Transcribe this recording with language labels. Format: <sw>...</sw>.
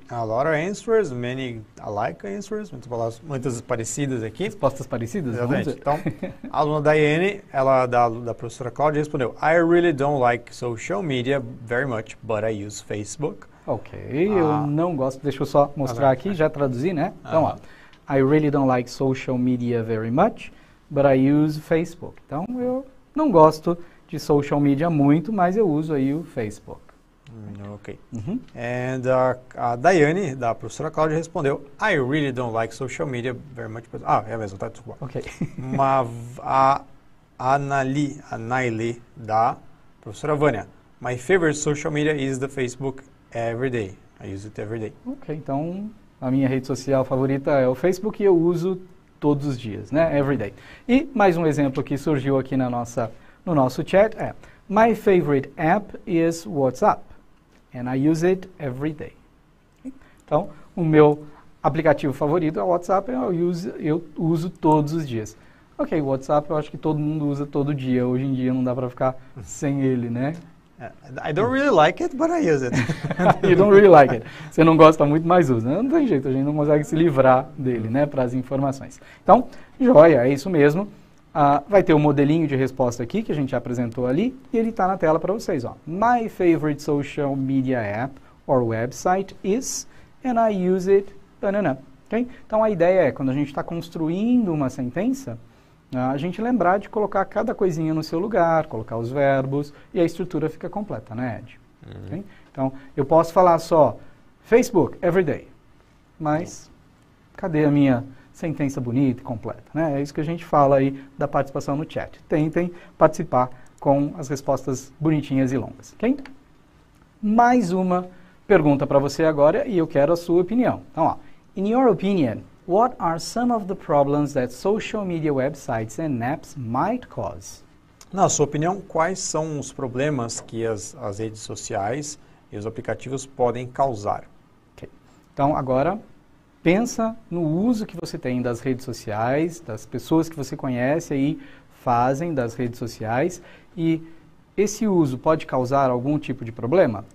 <en>A lot of answers, many alike answers,</en> <pt>muitas parecidas aqui. Respostas parecidas? Exatamente. Então, a aluna Daiane, ela da professora Cláudia, respondeu,</pt> <en>I really don't like social media very much, but I use Facebook.</en> <pt>Ok, eu não gosto, deixa eu só mostrar aqui, já traduzi, né?</pt> <en>Então, ó, I really don't like social media very much, but I use Facebook.</en> <pt>Então, eu não gosto de social media muito, mas eu uso aí o Facebook. Ok.</pt> <en>And</en> <pt>a Daiane, da professora Cláudia, respondeu,</pt> <en>I really don't like social media very much.</en> <pt>Ah, é mesmo, tá, desculpa. Ok. a Naili, da professora Vânia,</pt> <en>my favorite social media is the Facebook every day. I use it every day.</en> <pt>Ok, então a minha rede social favorita é o Facebook e eu uso todos os dias, né?</pt> <en>Every day.</en> <pt>E mais um exemplo que surgiu aqui na nossa... No nosso chat é,</pt> <en>my favorite app is WhatsApp, and I use it every day.</en> <pt>Então, o meu aplicativo favorito é o WhatsApp, e eu uso todos os dias. Ok, WhatsApp eu acho que todo mundo usa todo dia, hoje em dia não dá para ficar sem ele, né?</pt> <en>I don't really like it, but I use it. You don't really like it.</en> <pt>Você não gosta muito, mas usa. Não tem jeito, a gente não consegue se livrar dele, né, para as informações. Então, joia, é isso mesmo. Vai ter um modelinho de resposta aqui que a gente apresentou ali e ele está na tela para vocês. Ó.</pt> <en>My favorite social media app or website is and I use it. Okay?</en> <pt>Então a ideia é, quando a gente está construindo uma sentença, a gente lembrar de colocar cada coisinha no seu lugar, colocar os verbos e a estrutura fica completa, né, Ed? Uhum. Okay? Então eu posso falar só Facebook every day, mas cadê a minha sentença bonita e completa, né? É isso que a gente fala aí da participação no chat. Tentem participar com as respostas bonitinhas e longas, ok? Mais uma pergunta para você agora e eu quero a sua opinião.</pt> <en>Então, ó, in your opinion, what are some of the problems that social media websites and apps might cause?</en> <pt>Na sua opinião, quais são os problemas que as redes sociais e os aplicativos podem causar? Okay. Então, agora, pensa no uso que você tem das redes sociais, das pessoas que você conhece aí fazem das redes sociais, e esse uso pode causar algum tipo de problema?</pt>